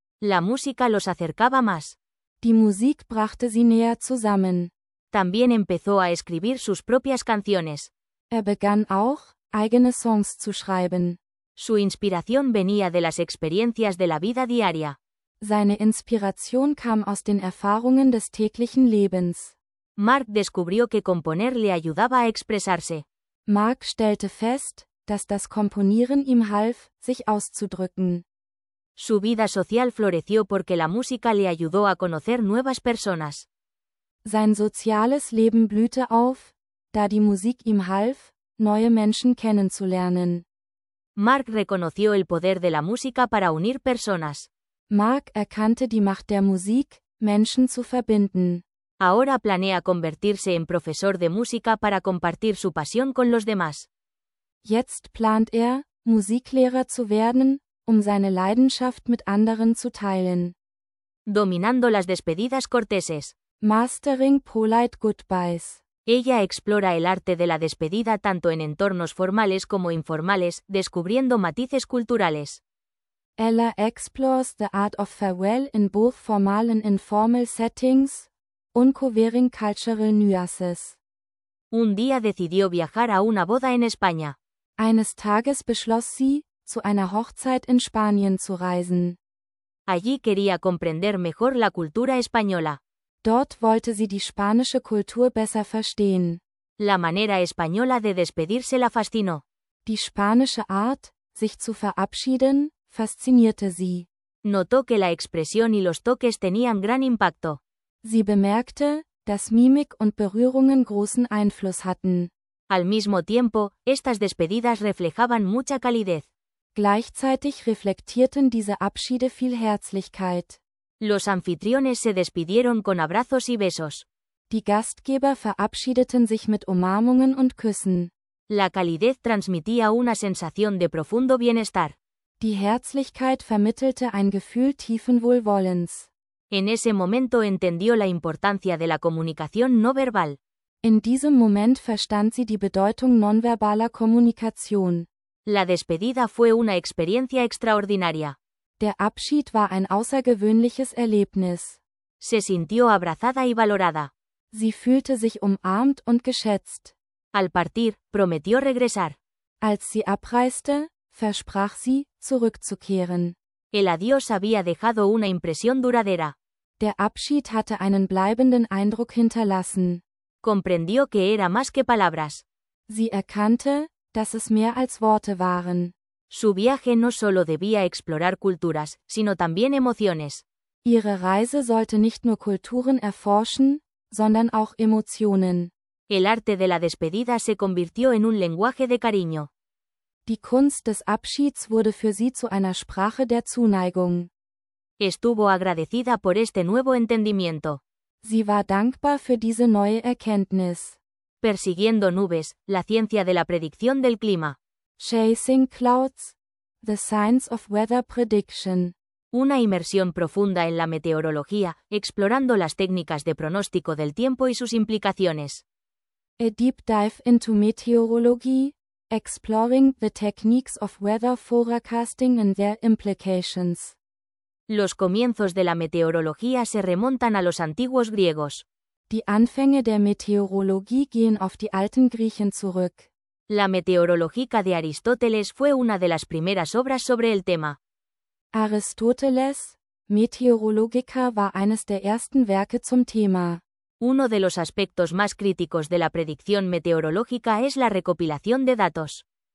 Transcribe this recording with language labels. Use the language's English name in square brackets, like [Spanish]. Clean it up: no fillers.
[Spanish] La música los acercaba más. [German] Die Musik brachte sie näher zusammen. [Spanish] También empezó a escribir sus propias canciones. [German] Er begann auch, eigene Songs zu schreiben. [Spanish] Su inspiración venía de las experiencias de la vida diaria. [German] Seine Inspiration kam aus den Erfahrungen des täglichen Lebens. [Spanish] Mark descubrió que componer le ayudaba a expresarse. [German] Mark stellte fest, dass das Komponieren ihm half, sich auszudrücken. [Spanish] Su vida social floreció porque la música le ayudó a conocer nuevas personas. [German] Sein soziales Leben blühte auf, da die Musik ihm half, neue Menschen kennenzulernen. [Spanish] Mark reconoció el poder de la música para unir personas. [German] Mark erkannte die Macht der Musik, Menschen zu verbinden. [Spanish] Ahora planea convertirse en profesor de música para compartir su pasión con los demás. [German] Jetzt plant er, Musiklehrer zu werden, um seine Leidenschaft mit anderen zu teilen. [Spanish] Dominando las despedidas corteses. [English] Mastering polite goodbyes. [Spanish] Ella explora el arte de la despedida tanto en entornos formales como informales, descubriendo matices culturales. [English] Ella explores the art of farewell in both formal and informal settings, uncovering cultural nuances. [Spanish] Un día decidió viajar a una boda en España. [German] Eines Tages beschloss sie, zu einer Hochzeit in Spanien zu reisen. [Spanish] Allí quería comprender mejor la cultura española. [German] Dort wollte sie die spanische Kultur besser verstehen. [Spanish] La manera española de despedirse la fascinó. [German] Die spanische Art, sich zu verabschieden, faszinierte sie. [Spanish] Notó que la expresión y los toques tenían gran impacto. [German] Sie bemerkte, dass Mimik und Berührungen großen Einfluss hatten. [Spanish] Al mismo tiempo, estas despedidas reflejaban mucha calidez. [German] Gleichzeitig reflektierten diese Abschiede viel Herzlichkeit. [Spanish] Los anfitriones se despidieron con abrazos y besos. [German] Die Gastgeber verabschiedeten sich mit Umarmungen und Küssen. [Spanish] La calidez transmitía una sensación de profundo bienestar. [German] Die Herzlichkeit vermittelte ein Gefühl tiefen Wohlwollens. [Spanish] En ese momento entendió la importancia de la comunicación no verbal. [German] In diesem Moment verstand sie die Bedeutung nonverbaler Kommunikation. [Spanish] La despedida fue una experiencia extraordinaria. [German] Der Abschied war ein außergewöhnliches Erlebnis. [Spanish] Se sintió abrazada y valorada. [German] Sie fühlte sich umarmt und geschätzt. [Spanish] Al partir, prometió regresar. [German] Als sie abreiste, versprach sie, zurückzukehren. [Spanish] El adiós había dejado una impresión duradera. [German] Der Abschied hatte einen bleibenden Eindruck hinterlassen. [Spanish] Comprendió que era más que palabras. [German] Sie erkannte, dass es mehr als Worte waren. [Spanish] Su viaje no solo debía explorar culturas, sino también emociones. [German] Ihre Reise sollte nicht nur Kulturen erforschen, sondern auch Emotionen. [Spanish] El arte de la despedida se convirtió en un lenguaje de cariño. [German] Die Kunst des Abschieds wurde für sie zu einer Sprache der Zuneigung. [Spanish] Estuvo agradecida por este nuevo entendimiento. [German] Sie war dankbar für diese neue Erkenntnis. [Spanish] Persiguiendo nubes, la ciencia de la predicción del clima. [English] Chasing clouds, the science of weather prediction. [Spanish] Una inmersión profunda en la meteorología, explorando las técnicas de pronóstico del tiempo y sus implicaciones. [English] A deep dive into meteorology, exploring the techniques of weather forecasting and their implications. [Spanish] Los comienzos de la meteorología se remontan a los antiguos griegos. [German] Die Anfänge der Meteorologie gehen auf die alten Griechen zurück. [Spanish] La Meteorologica de Aristóteles fue una de las primeras obras sobre el tema. [German] Aristóteles, Meteorologica war eines der ersten Werke zum Thema. [Spanish] Uno de los aspectos más críticos de la predicción meteorológica es la recopilación de datos.